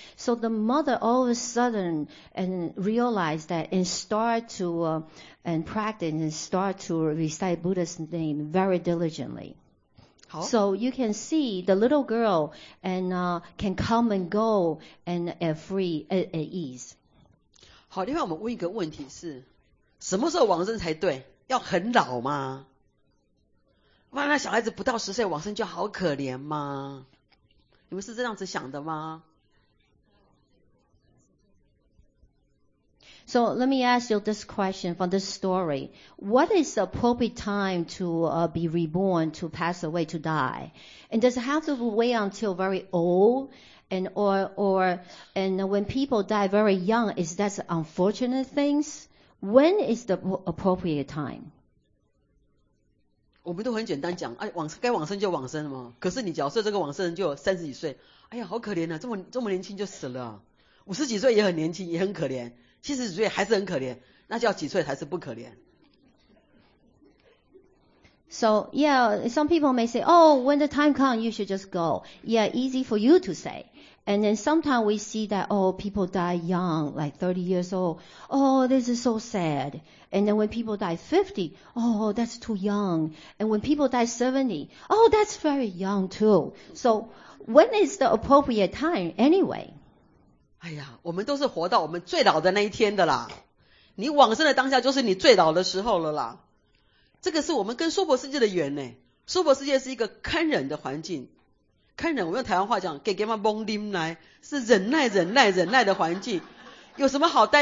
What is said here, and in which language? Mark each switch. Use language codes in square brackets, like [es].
[en] So the mother all of a sudden and realized that and started to and practice and start to recite Buddha's name very diligently. So you can see the little girl and can come and go and free at ease. [zh] 好，另外我们问一个问题是，什么时候往生才对？要很老吗？万一小孩子不到十岁往生就好可怜吗？你们是这样子想的吗？ [en] So let me ask you this question from this story. What is the appropriate time to be reborn, to pass away, to die? And does it have to wait until very old? And or when people die very young, is that unfortunate things? When is the appropriate time? [zh] 我们都很简单讲，哎，往该往生就往生嘛。可是你假设这个往生人就三十几岁，哎呀，好可怜啊，这么年轻就死了。五十几岁也很年轻，也很可怜。七十几岁还是很可怜，那叫几岁才是不可怜？ [en] So yeah, some people may say, oh, when the time comes, you should just go. Yeah, easy for you to say. And then sometimes we see that, oh, people die young, like 30 years old. Oh, this is so sad. And then when people die 50, oh, that's too young. And when people die 70, oh, that's very young too. So when is the appropriate time anyway? [zh] 哎呀，我们都是活到我们最老的那一天的啦。你往生的当下就是你最老的时候了啦。这个是我们跟娑婆世界的缘呢。娑婆世界是一个堪忍的环境。看人，我用台湾话讲，给干嘛崩丁来？是忍耐、忍耐、忍耐的环境，有什么好待？